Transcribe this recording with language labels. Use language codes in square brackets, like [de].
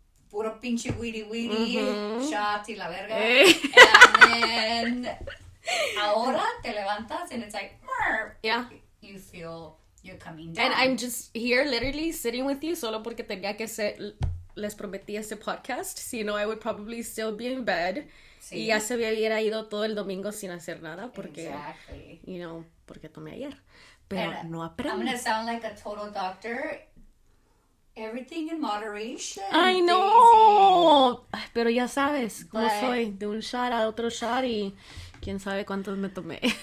[es] Puro pinche weedy weedy. Shot y la verga. Hey. [en] And then [es] ahora te levantas [en] and it's like, yeah. You feel you're coming down. And I'm just here literally sitting with you [es] solo porque tenía que hacer, les prometí este podcast. [en] So, you know, I would probably still be in bed. [es] Sí. Y ya se hubiera ido todo el domingo sin hacer nada porque, [en] exactly. You know, [es] porque tomé ayer. Pero and no aprendí. [en] I'm going to sound like a total doctor. Everything in moderation. I know. Daisy. [es] Pero ya sabes, cómo soy, de un shot a otro shot y quién sabe cuántos me tomé.